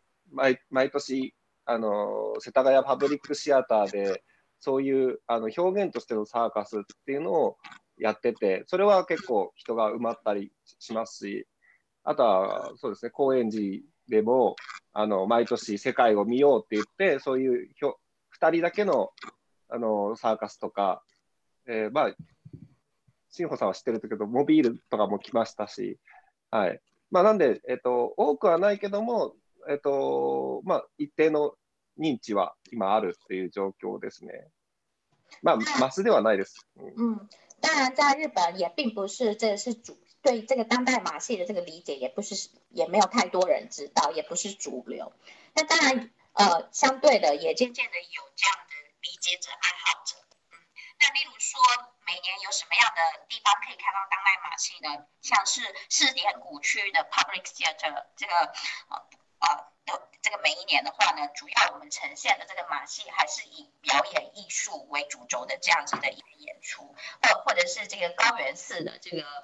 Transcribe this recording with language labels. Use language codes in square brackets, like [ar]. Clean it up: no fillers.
[ja] 毎年、世田谷パブリックシアターでそういう表現としてのサーカスっていうのをやってて、それは結構人が埋まったりしますし、あとはそうですね、高円寺でも毎年世界を見ようって言って、そういう2人だけ のサーカスとか、まあ新保さんは知ってるけどモビールとかも来ましたし、はい、まあなんで多くはないけども、まあ一定の認知は今あるっていう状況ですね。まあマスではないです。 [zh] 当然在日本也并不是这是主对这个当代马戏的这个理解也不是也没有太多人知道也不是主流。那当然相对的也渐渐的有这样的理解者爱好者。那例如说每年有什么样的地方可以看到当代马戏呢？像是世典古区的 Public Theater 这个这个每一年的话呢，主要我们呈现的这个马戏还是以表演艺术为主轴的这样子的一个演出，或者是这个高原寺的这个